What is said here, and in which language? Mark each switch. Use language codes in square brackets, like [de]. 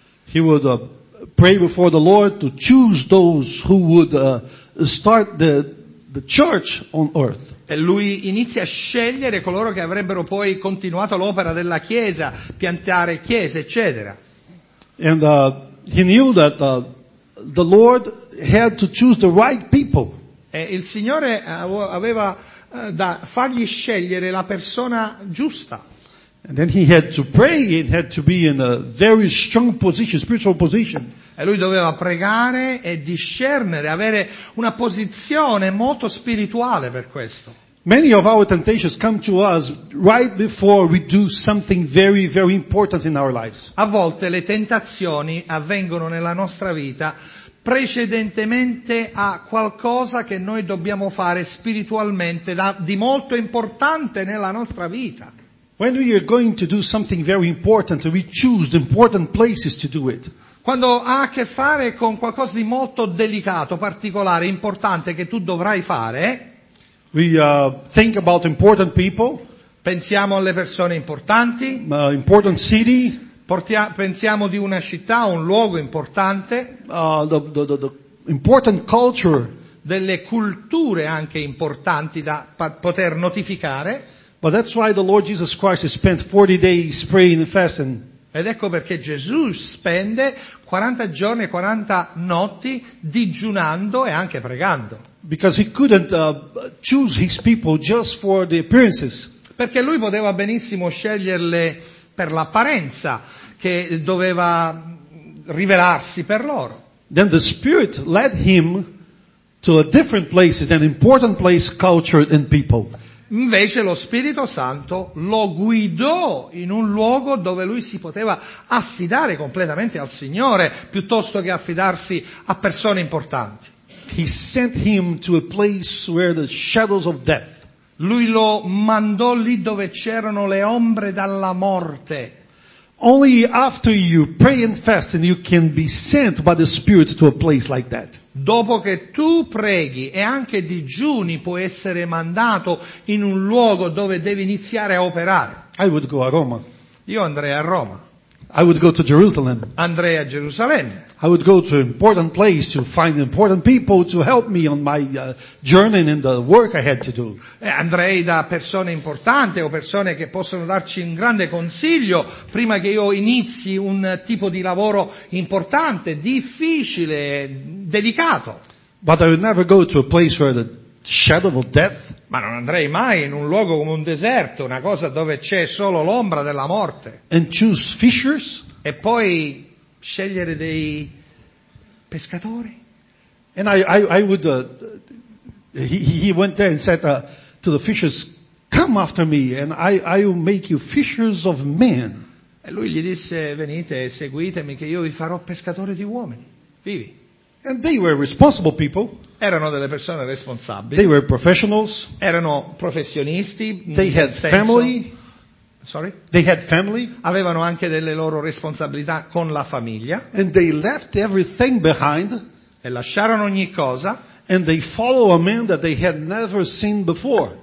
[en] He would pray before the Lord to choose those who would start the church on earth. [it] E lui inizia a scegliere coloro che avrebbero poi continuato l'opera della chiesa, piantare chiese, eccetera. [en] And he knew that the Lord had to choose the right people. [it] E il Signore aveva da fargli scegliere la persona giusta. [en] And then he had to pray, he had to be in a very strong position, spiritual position. [it] E lui doveva pregare e discernere, avere una posizione molto spirituale per questo. [en] Many of our temptations come to us right before we do something very, very important in our lives. [it] A volte le tentazioni avvengono nella nostra vita precedentemente a qualcosa che noi dobbiamo fare spiritualmente di molto importante nella nostra vita. [en] When we are going to do something very important, we choose the important places to do it. [it] Quando ha a che fare con qualcosa di molto delicato, particolare, importante che tu dovrai fare, [en] we think about important people. [it] Pensiamo alle persone importanti. [en] Important city. [it] Pensiamo di una città, un luogo importante. [en] The important culture, [it] delle culture anche importanti da poter notificare. [en] But that's why the Lord Jesus Christ has spent 40 days praying and fasting. [it] Ed ecco perché Gesù spende 40 giorni e 40 notti digiunando e anche pregando. [en] Because he couldn't choose his people just for the appearances. [it] Perché lui poteva benissimo sceglierle per l'apparenza che doveva rivelarsi per loro. [en] Then the Spirit led him to a different place, an important place, culture and people. [it] Invece lo Spirito Santo lo guidò in un luogo dove lui si poteva affidare completamente al Signore, piuttosto che affidarsi a persone importanti. [en] He sent him to a place where the shadows of death. [it] Lui lo mandò lì dove c'erano le ombre della morte. [en] Only after you pray and fast and you can be sent by the Spirit to a place like that. [it] Dopo che tu preghi e anche digiuni puoi essere mandato in un luogo dove devi iniziare a operare. [en] I would go a Roma. [it] Io andrei a Roma. [en] I would go to Jerusalem. [it] Andrei a Gerusalemme. [en] I would go to an important place to find important people to help me on my journey and the work I had to do. [it] Andrei da persone importanti o persone che possono darci un grande consiglio prima che io inizi un tipo di lavoro importante, difficile, delicato. [en] But I would never go to a place where the shadow of death. [it] Ma non andrei mai in un luogo come un deserto, una cosa dove c'è solo l'ombra della morte. [en] And choose fishers. [it] E poi scegliere dei pescatori. [en] And I would he went there and said to the fishers, come after me and I will make you fishers of men. [it] E lui gli disse, venite, seguitemi che io vi farò pescatori di uomini vivi. [en] And they were responsible people. [it] Erano delle persone responsabili. [en] They were professionals. [it] Erano professionisti. [en] They had family. Sorry? They had family. [it] Avevano anche delle loro responsabilità con la famiglia. [en] And they left everything behind. [it] E lasciarono ogni cosa. [en] And they follow a man that they had never seen before.